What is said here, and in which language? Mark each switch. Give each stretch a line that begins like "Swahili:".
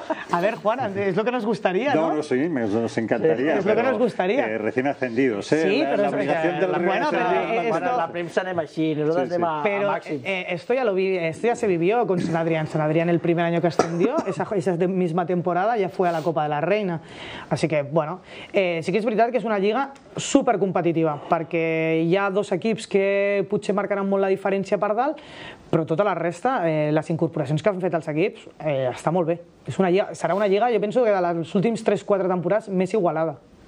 Spanish: A ver, Juan, es lo que nos gustaría, ¿no? No, sí, nos encantaría. Es lo que nos gustaría. Recién ascendidos, ¿eh? Sí, pero es verdad.
Catalan: Bueno, la premsa anem així, nosaltres anem a màxim.
Spanish: Pero esto ya se vivió con San Adrián. San Adrián el primer año que ascendió, esa misma temporada ya fue a la Copa de la Reina. Así que, bueno, sí que es verdad que es una lliga súper competitiva, porque ya dos equipos que
Catalan: potser marcaran molt la diferència per dalt, però tota la resta, les incorporacions que han fet els equips, està molt bé. Serà una lliga, jo penso, que de les últims 3-4 temporades més igualada.